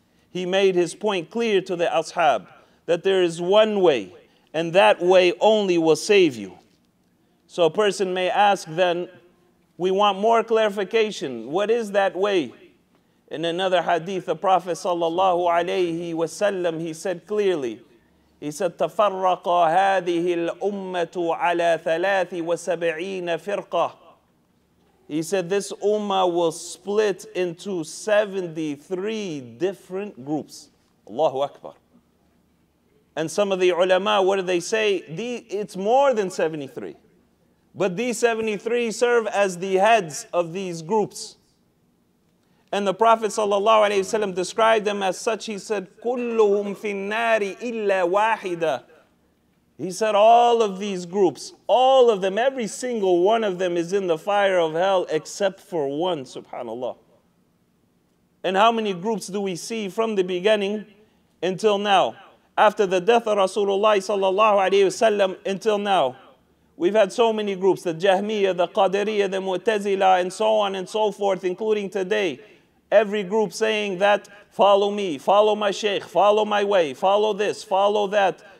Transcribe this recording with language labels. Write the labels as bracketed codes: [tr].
[en] He made his point clear to the ashab that there is one way, and that way only will save you. So a person may ask then, we want more clarification. What is that way? In another hadith, the Prophet sallallahu alayhi wasallam, he said clearly, He said, [ar] تفرق هذه الأمة على 73 فرقة. [en] He said, this ummah will split into 73 different groups. Allahu Akbar. And some of the ulama, what do they say? It's more than 73. But these 73 serve as the heads of these groups. And the Prophet sallallahu alaihi wasallam described them as such. He said, [ar] كلهم في النار إلا واحدة. [en] He said, all of these groups, all of them, every single one of them is in the fire of hell except for one, subhanAllah. And how many groups do we see from the beginning until now? After the death of Rasulullah sallallahu alayhi wasallam until now, we've had so many groups, the Jahmiya, the Qadiriyya, the Mu'tazila, and so on and so forth, including today, every group saying that, follow me, follow my sheikh, follow my way, follow this, follow that.